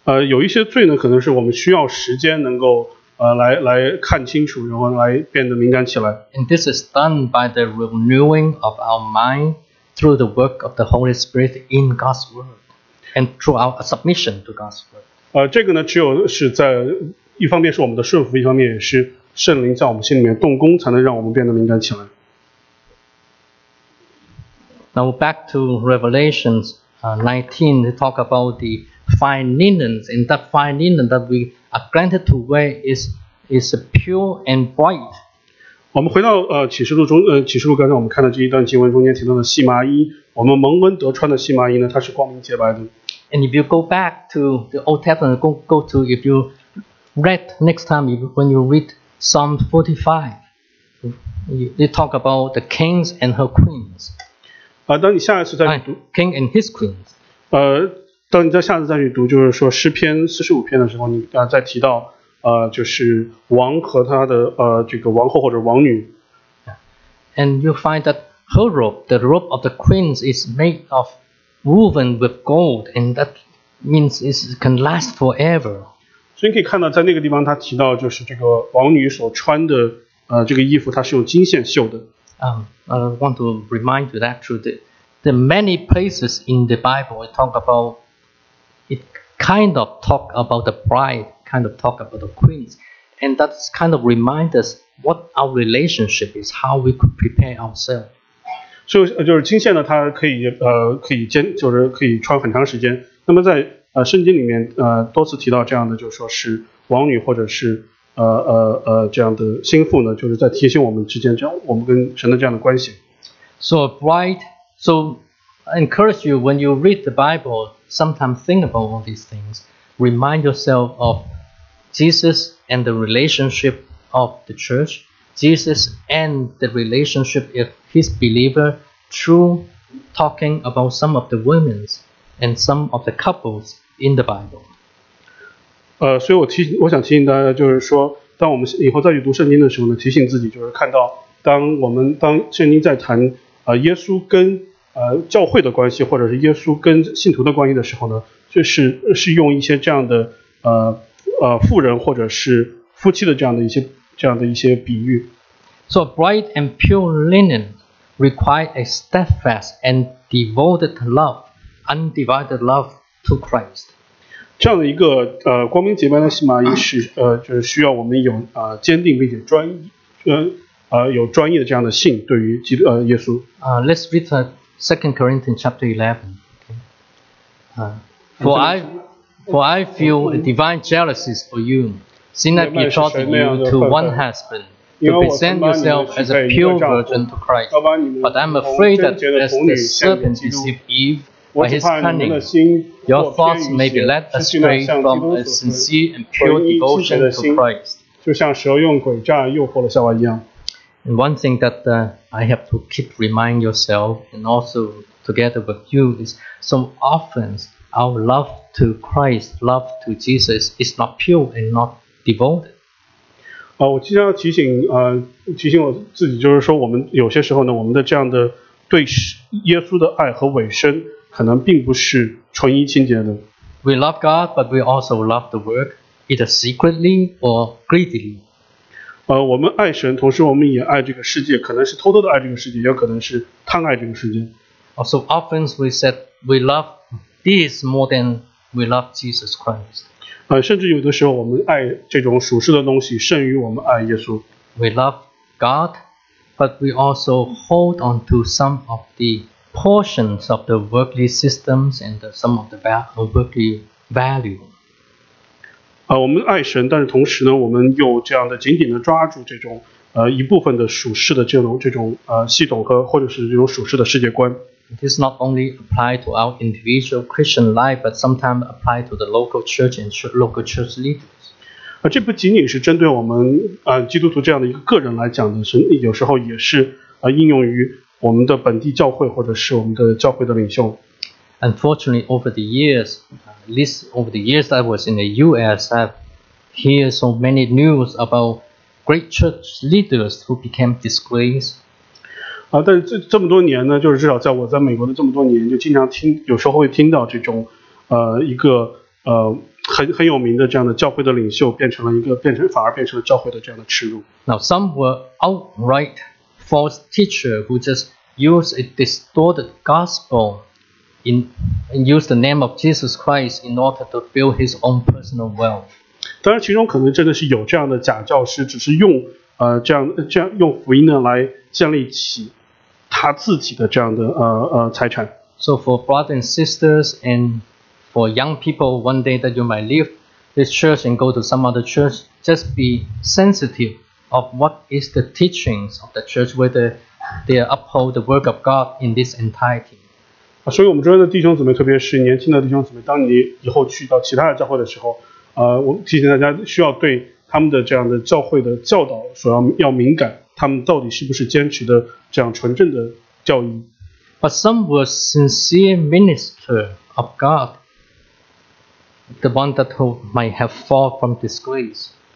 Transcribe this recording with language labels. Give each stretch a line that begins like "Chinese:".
Chinese: 有一些罪呢，可能是我们需要时间能够来看清楚，然后来变得敏感起来。
English: And this is done by the renewing of our mind through the work of the Holy Spirit in God's word and through our submission to God's word.
Chinese: 这个呢，只有是在一方面是我们的顺服，一方面也是。圣灵在我们心里面动工，才能让我们变得敏感起来。
English: Now back to Revelations 19, they talk about the fine linens, and that fine linen that we are granted to wear is pure and bright.
Chinese: 我们回到启示录中，启示录刚才我们看到这一段经文中间提到的细麻衣，我们蒙恩得穿的细麻衣呢，它是光明洁白的。
English: And if you go back to the Old Testament, go to if you read next time, when you readPsalm 45, they talk about the kings and her queens.
Chinese: 当你下一次再读
English: King and his queens.
Chinese: 当你在下次再去读，就是说诗篇45篇的时候，你再提到就是王和他的这个王后或者王女。
English: And you find that her robe, the robe of the queens, is made of woven with gold, and that means it can last forever.
Chinese: 所以你可以看到，在那个地方，他提到就是这个王女所穿的这个衣服，它是用金线绣的。
English: I want to remind you that through the many places in the Bible, it kind of talk about the bride, kind of talk about the queens, and that's kind of remind us what our relationship is, how we could prepare ourselves.
Chinese: 所以就是金线呢，它可以穿很长时间。那么在圣经里面多次提到这样的，就是说是王女或者是这样的心腹呢，就是在提醒我们之间，这样我们跟神的这样的关系。
English: So I encourage you when you read the Bible, sometimes think about all these things. Remind yourself of Jesus and the relationship of the church, Jesus and the relationship of his believer through talking about some of the women and some of the couples. In the Bible.
Chinese: 所以我想提醒大家，就是说，当我们以后再去读圣经的时候呢，提醒自己，就是看到，当圣经在谈耶稣跟教会的关系，或者是耶稣跟信徒的关系的时候呢，就是用一些这样的妇人或者是夫妻的这样的一些比喻。
English: So bright and pure linen require a steadfast and devoted love, undivided love. To Christ.
Chinese: 这样的一个光明洁白的细麻衣是就是需要我们有坚定并且专一有专业的这样的信对于基督耶稣。
English: Let's read to 2 Corinthians chapter 11. For I feel a divine jealousy for you, seeing I betrothed you to one husband. To present yourself as a pure virgin to Christ, but I'm afraid that as the serpent deceived Eve by his cunning, your thoughts may be led astray from a sincere and pure devotion to Christ.
Chinese: 就像蛇用诡诈诱惑了夏娃一样。
English: And one thing that I have to keep remind yourself, and also together with you, is so often our love to Christ, love to Jesus, is not pure and not devoted.
Chinese: 我经常提醒我自己，就是说我们有些时候呢，我们的这样的对耶稣的爱和委身可能并不是纯一清洁的。
English: We love God, but we also love the work, either secretly or greedily.
Chinese: 我们爱神，同时我们也爱这个世界，可能是偷偷的爱这个世界，也可能是贪爱这个世界。
English: So often we said we love this more than we love Jesus Christ.
Chinese: 甚至有的时候我们爱这种属世的东西胜于我们爱耶稣。
English: We love God, but we also hold on to some of the portions of the worldly systems and some of the worldly value.
Chinese: 我们爱神，但是同时呢，我们又这样的紧紧的抓住这种一部分的属世的这种系统和或者是这种属世的世界观。
English: It is not only applied to our individual Christian life, but sometimes applied to the local church and local church leaders.
Chinese: 这不仅仅是针对我们基督徒这样的一个个人来讲的，神有时候也是应用于我们的本地教会或者是我们的教会的领袖。
English: Unfortunately, over the years, at least over the years I was in the U.S., I hear so many news about great church leaders who became disgraced.
Chinese: 但是这么多年呢，就是至少在我在美国的这么多年，就经常听，有时候会听到这种，一个很有名的这样的教会的领袖变成了一个反而变成了教会的这样的耻辱。
English: Now some were outright false teacher who just use a distorted gospel. And use the name of Jesus Christ in order to build his own personal wealth.
Chinese: 当然，其中可能真的是有这样的假教师，只是用这样用福音呢来建立起他自己的这样的财产。
English: So for brothers and sisters and for young people, one day that you might leave this church and go to some other church, just be sensitive of what is the teachings of the church, whether they uphold the work of God in this entirety.
Chinese: 所以我们周围的弟兄姊妹，特别是年轻的弟兄姊妹，当你以后去到其他的教会的时候，我提醒大家需要对他们的这样的教会的教导所要敏感，他们到底是不是坚持的这样纯正的教义。
English: But some were sincere minister of God, the one that might have fallen from disgrace.